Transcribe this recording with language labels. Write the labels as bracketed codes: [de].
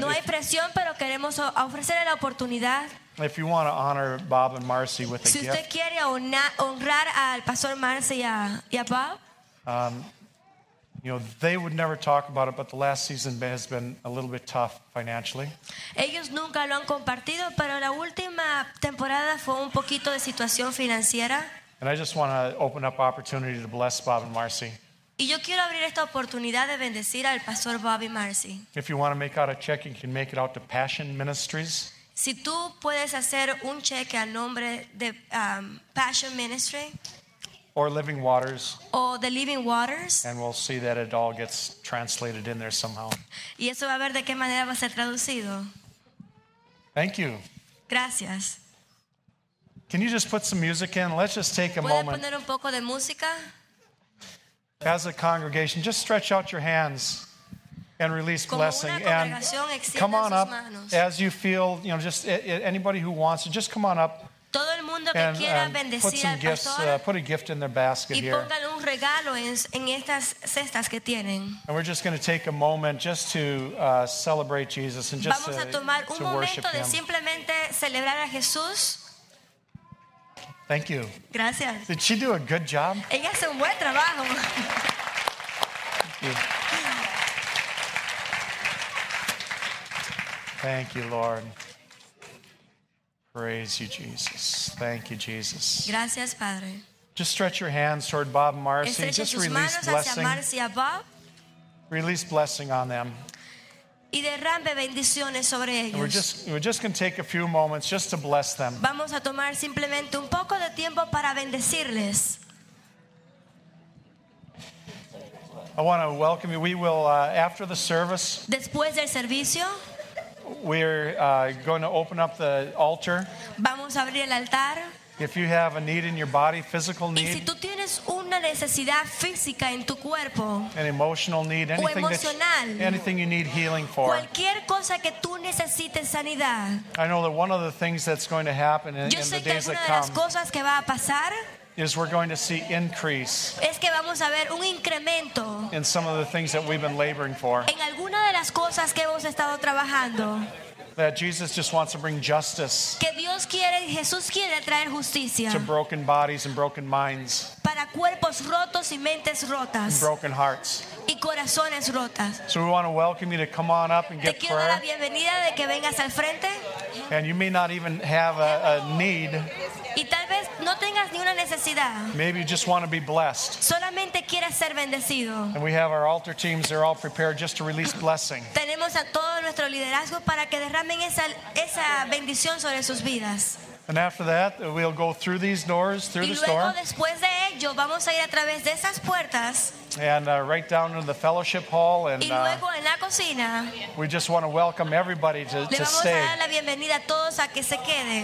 [es] no hay presión, pero queremos ofrecer la oportunidad. [en] If you want to honor Bob and Marcy with a [es] si [en] gift. [es] Si usted quiere honrar al Pastor Marcy y a Bob. [en] You know, they would never talk about it, but the last season has been a little bit tough financially. [es] Ellos nunca lo han compartido, pero la última temporada fue un poquito de situación financiera. [en] And I just want to open up opportunity to bless Bob and Marcy. [es] Y yo quiero abrir esta oportunidad de bendecir al pastor Bob y Marcy. [en] If you want to make out a check, you can make it out to Passion Ministries. [es] Si tú puedes hacer un cheque al nombre de Passion Ministry. [en] Or Living Waters. Oh, the Living Waters. And we'll see that it all gets translated in there somehow. [es] Y eso va a ver de qué manera va a ser traducido. [en] Thank you. [es] Gracias. [en] Can you just put some music in? Let's just take a moment. [es] ¿Puedes poner un poco de música? [en] As a congregation, just stretch out your hands and release blessing. And come on up as you feel, you know, just anybody who wants to, just come on up. [es] Todo el mundo que quiera bendecir al pastor, [en] put a gift in their basket [es] y [en] here. [es] Pongan un regalo en estas cestas que tienen. [en] And we're just going to take a moment just to celebrate Jesus and just [es] vamos a tomar un [en] to worship [es] momento de simplemente celebrar a Jesús. [en] Thank you. [es] Gracias. [en] Did she do a good job? [es] Ella hace un buen trabajo. [en] Thank you. Thank you, Lord. Praise you, Jesus. Thank you, Jesus. [es] Gracias, Padre. [en] Just stretch your hands toward Bob and Marcy. [es] Estreche [en] just release blessing. [es] Hacia Bob. [en] Release blessing on them. [es] Y derrame bendiciones sobre ellos. [en] We're just going to take a few moments just to bless them. [es] Vamos a tomar simplemente un poco de tiempo para bendecirles. [en] I want to welcome you. We will, after the service. [es] Después del servicio. [en] We're going to open up the altar. [es] Vamos a abrir el altar. [en] If you have a need in your body, physical need. [es] Y si tú tienes una necesidad física en tu cuerpo. [en] An emotional need, anything [es] o emocional, [en] that anything you need healing for. [es] Cualquier cosa que tú necesites sanidad. [en] I know that one of the things that's going to happen in, [es] yo sé [en] in the days [es] que una [en] that [es] de las [en] come [es] cosas que va a pasar [en] is we're going to see increase. [es] Es que vamos a ver un incremento [en] in some of the things that we've been laboring for. [es] En alguna de las cosas que hemos estado trabajando. [en] That Jesus just wants to bring justice. [es] Que Dios quiere, Jesús quiere traer justicia. [en] To broken bodies and broken minds. [es] Para cuerpos rotos y mentes rotas. [en] And broken hearts. [es] Y corazones rotas. [en] So we want to welcome you to come on up and get prayer. [es] Te quiero dar la bienvenida de que vengas al frente. [en] And you may not even have a need. [es] Y tal vez no tengas ni una necesidad. [en] Maybe you just want to be blessed. [es] Solamente quieras ser bendecido. [en] And we have our altar teams, they're all prepared just to release blessing. [es] Tenemos a todo nuestro liderazgo para que derramen esa bendición sobre sus vidas. [en] And after that, we'll go through these doors, through [es] y [en] this door. [es] Y luego después de ello, vamos a ir a través de esas puertas. [en] And right down in the fellowship hall. And, [es] y luego en la cocina. [en] We just want to welcome everybody to stay. [es] Le vamos [en] stay [es] a dar la bienvenida a todos a que se queden.